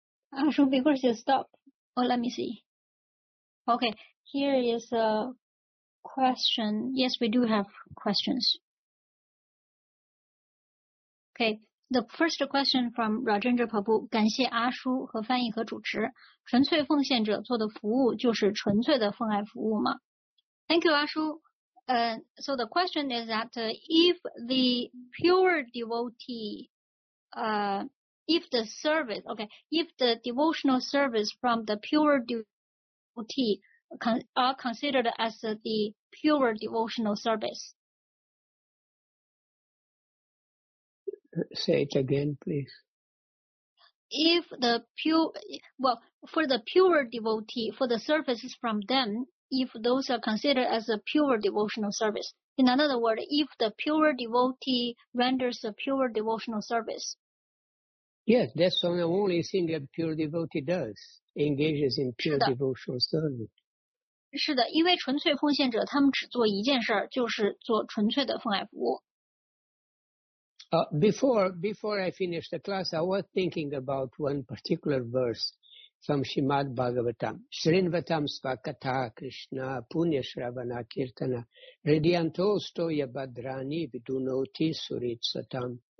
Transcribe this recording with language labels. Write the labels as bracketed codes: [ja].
[en] I'm sure because you stop. Oh, let me see. Okay, here is a question. Yes, we do have questions. Okay, the first question from Rajendra Prabhu. [zh] 感谢阿叔和翻译和主持。纯粹奉献者做的服务就是纯粹的奉爱服务吗？ [en] Thank you, 阿叔。 So the question is that if the pure devotee, if the devotional service from the pure devotee are considered as the pure devotional service. Say it again, please. If the pure, well, for the pure devotee, for the services from them, if those are considered as a pure devotional service. In another word, if the pure devotee renders a pure devotional service. Yes, that's the only thing a pure devotee does, engages in pure devotional service. [zh] 是的，因为纯粹奉献者他们只做一件事，就是做纯粹的奉爱服务。 [en] Before I finish the class, I was thinking about one particular verse from Srimad Bhagavatam. [sa] Srinvatam svakata krishna punya shravana kirtana radiantostoya badrani vidunoti suritsatam.